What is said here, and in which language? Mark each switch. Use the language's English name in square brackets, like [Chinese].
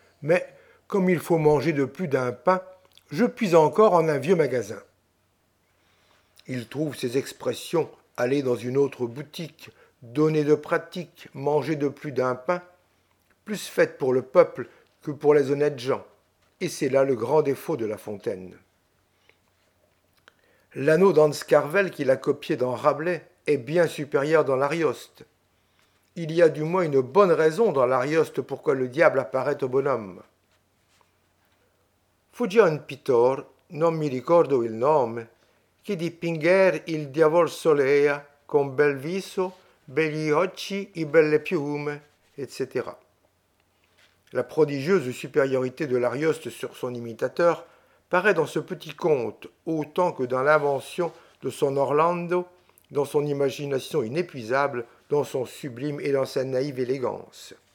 [French] Mais, comme il faut manger de plus d'un pain, je puis encore en un vieux magasin. » Il trouve ces expressions « aller dans une autre boutique », « donner de pratique », »,« manger de plus d'un pain », plus faites pour le peuple que pour les honnêtes gens. Et c'est là le grand défaut de La Fontaine. L'anneau d'Anscarvel qu'il a copié dans Rabelais est bien supérieur dans l'Arioste. Il y a du moins une bonne raison dans l'Arioste pourquoi le diable apparaît au bonhomme. [Italian] Fugion pittor, non mi ricordo il nome, che dipinger il diavol solea con bel viso, belli occhi e belle piume, etc. [French] La prodigieuse supériorité de l'Arioste sur son imitateur paraît dans ce petit conte autant que dans l'invention de son Orlando, dans son imagination inépuisable, dans son sublime et dans sa naïve élégance.